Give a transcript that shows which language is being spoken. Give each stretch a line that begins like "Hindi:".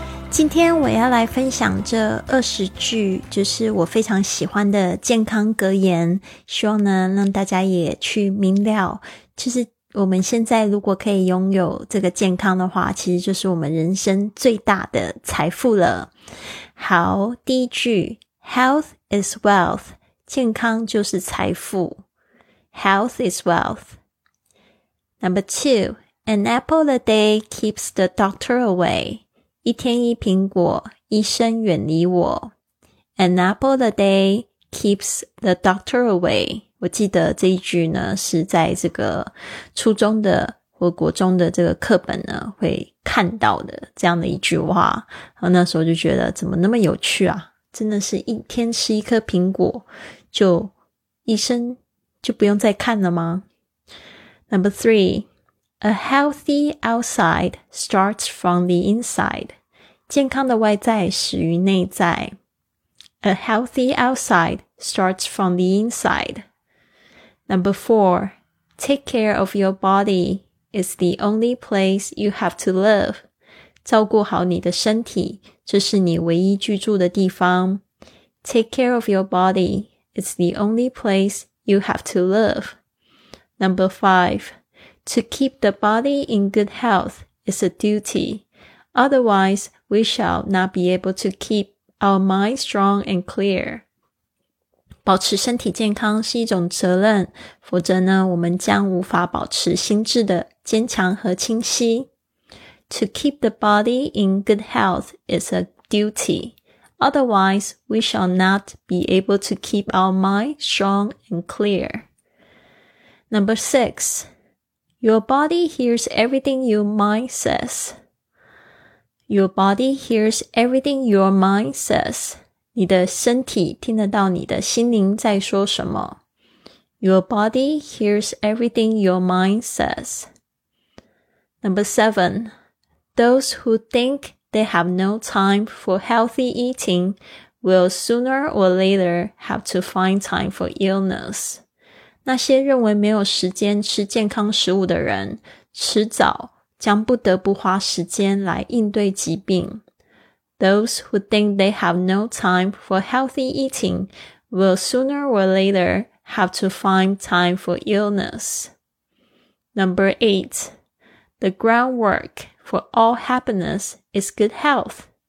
Chinese: 今天我要来分享这20句就是我非常喜欢的健康格言，希望呢让大家也去明了，就是我们现在如果可以拥有这个健康的话，其实就是我们人生最大的财富了。好，第一句，
English: Health is wealth，
Chinese: 健康就是财富，
English: Health is wealth。 Number two， An apple a day keeps the doctor away，
Chinese: 一天一苹果，医生远离我。
English: An apple a day keeps the doctor away。
Chinese: 我记得这一句呢是在这个初中的或国中的这个课本呢会看到的这样的一句话，然后那时候就觉得怎么那么有趣啊，真的是一天吃一颗苹果就医生就不用再看了吗？
English: Number threeA healthy outside starts from the inside.
Chinese: 健康的外在始于内在。
English: A healthy outside starts from the inside. Number four, take care of your body. It's the only place you have to live.
Chinese: 照顾好你的身体，这是你唯一居住的地方。
English: Take care of your body. It's the only place you have to live. Number five,To keep the body in good health is a duty. Otherwise, we shall not be able to keep our mind strong and clear.
Chinese: 保持身体健康是一种责任，否则呢，我们将无法保持心智的坚强和清晰。
English: To keep the body in good health is a duty. Otherwise, we shall not be able to keep our mind strong and clear. Number six. Your body hears everything your mind says. Your body hears everything your mind says.
Chinese: 你的身体听得到你的心灵在说什么。
English: Your body hears everything your mind says. Number seven. Those who think they have no time for healthy eating will sooner or later have to find time for illness.
Chinese: 那些认为没有时间吃健康食物的人，迟早将不得不花时间来应对疾病。
English: Those who think they have no time for healthy eating will sooner or later have to find time for illness. Number eight, the groundwork for all happiness is good health.